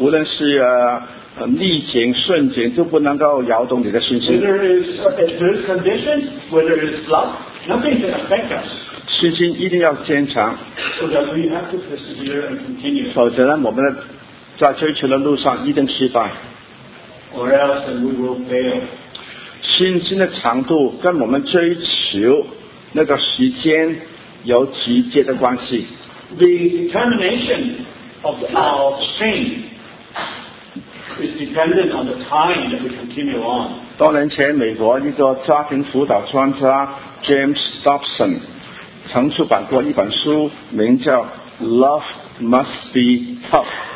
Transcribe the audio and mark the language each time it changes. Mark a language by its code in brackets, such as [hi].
[zh] 无论是逆境顺境都不能够摇动你的信心。 [en] Whether it's adverse conditions, whether it's luck, nothing can affect us. [zh] 信心一定要坚强 [en] so that we have to persevere and continue. [zh] 否则呢我们在追求的路上一定失败 [en] or else we will fail. [zh] 信心的长度跟我们追求那个时间有直接的关系 [en] the determination of our faith is dependent on the time that we continue on [zh] 多年前美国一个家庭辅导专家 James Dobson曾出版过一本书名叫 Love Must Be Tough